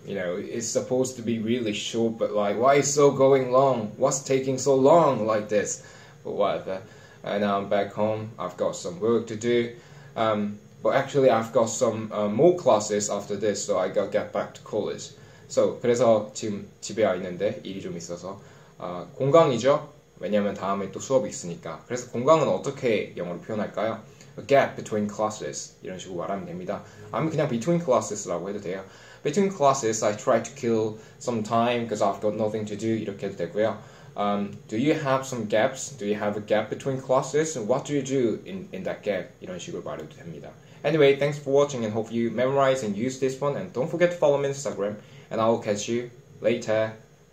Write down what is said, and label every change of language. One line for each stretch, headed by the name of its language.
English: You know, it's supposed to be really short, but like, why is so going long? What's taking so long like this? But whatever. And now I'm back home, I've got some work to do. But actually, I've got some more classes after this, so I gotta get back to college.
Korean: So, 그래서 지금 집에 와 있는데 일이 좀 있어서 공강이죠? 왜냐면 다음에 또 수업이 있으니까. 그래서 공강은 어떻게 영어로 표현할까요?
English: A gap between classes
Korean: 이런 식으로 말하면 됩니다. 아니면 그냥
English: between classes
Korean: 라고 해도 돼요.
English: Between classes, I try to kill some time because I've got nothing to do
Korean: 이렇게 해도 되고요.
English: Do you have some gaps? Do you have a gap between classes? What do you do in that gap?
Korean: 이런 식으로 말해도 됩니다.
English: Anyway, thanks for watching and hope you memorize and use this one. And don't forget to follow me on Instagram. And I will catch you later.